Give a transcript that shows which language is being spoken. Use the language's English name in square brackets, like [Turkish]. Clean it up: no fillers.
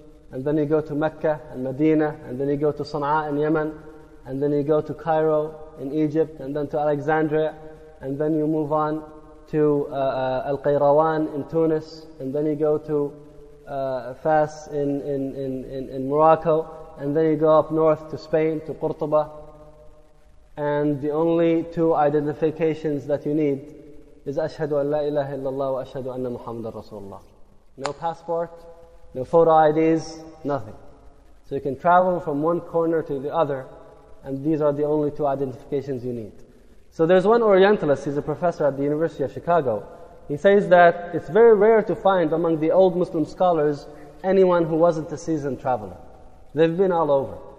[English] and then you go to Mecca and Medina, and then you go to Sana'a in Yemen, and then you go to Cairo in Egypt, and then to Alexandria, and then you move on to Al-Qayrawan in Tunis, and then you go to Fas in Morocco, and then you go up north to Spain, to Qurtuba. And the only two identifications that you need is [Arabic] أشهد أن لا إله إلا الله وأشهد أن محمد رسول الله. [English] No passport, no photo IDs, nothing. So you can travel from one corner to the other, and these are the only two identifications you need. So there's one Orientalist, he's a professor at the University of Chicago. He says that it's very rare to find among the old Muslim scholars anyone who wasn't a seasoned traveler. They've been all over.